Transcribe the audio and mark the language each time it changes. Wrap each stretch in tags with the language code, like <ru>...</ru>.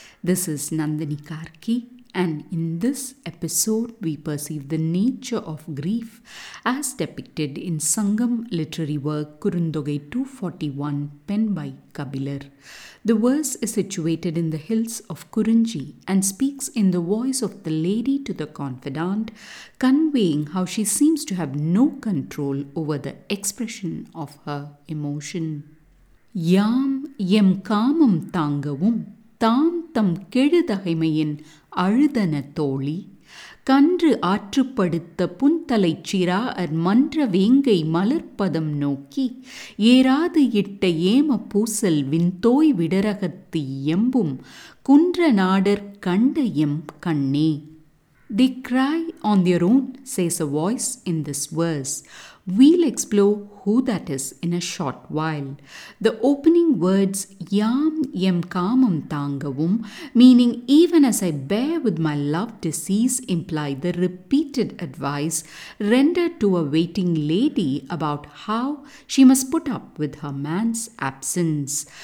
<en>This is Nandini Karki, and in this episode we perceive the nature of grief as depicted in Sangam literary work Kurundogai 241, penned by Kabilar. The verse is situated in the hills of Kurunji and speaks in the voice of the lady to the confidant, conveying how she seems to have no control over the expression of her emotion.</en> <ta>Yam yem kamam tangavum tam tam kezhudhaimaiyin அழுதன தோழி கன்று ஆற்றுப்படுத்த புன்தலை சிரா அர் மன்ற வேங்கை மலர்ப்பதம் நோக்கி ஏராது இட்ட ஏம பூசல் விண்தோய் விடரகத்து எம்பும் குன்ற நாடர் கண்ட M கண்ணே.</ta> <en>They cry on their own, says a voice in this verse. We'll explore who that is in a short while. The opening words,</en> <ta>Yam yem kamam tangavum,</ta> <en>meaning even as I bear with my love disease, imply the repeated advice rendered to a waiting lady about how she must put up with her man's absence.</en>